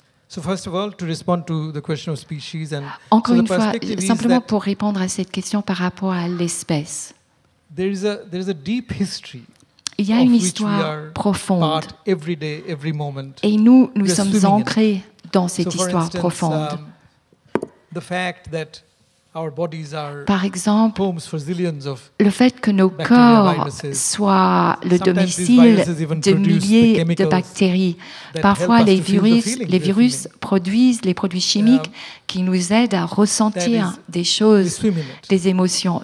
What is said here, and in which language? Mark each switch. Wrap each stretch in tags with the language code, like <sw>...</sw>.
<en>So first of all, to respond to the question of species and</en> <fr>encore une fois, simplement pour répondre à cette question par rapport à l'espèce.</fr> <en>There is a deep history.</en> <fr>Il y a une histoire profonde.</fr> <en>Every day, every moment,</en> <fr>et nous sommes ancrés dans cette histoire profonde.</fr> <en>The fact that our bodies are,</en> <fr>par exemple,</fr> <en>homes for zillions of</en> <fr>le fait que nos corps soient le</fr> <en>sometimes</en> <fr>domicile de milliers de bactéries. Parfois, les virus produisent les produits chimiques qui nous aident à ressentir des choses, des émotions.</fr>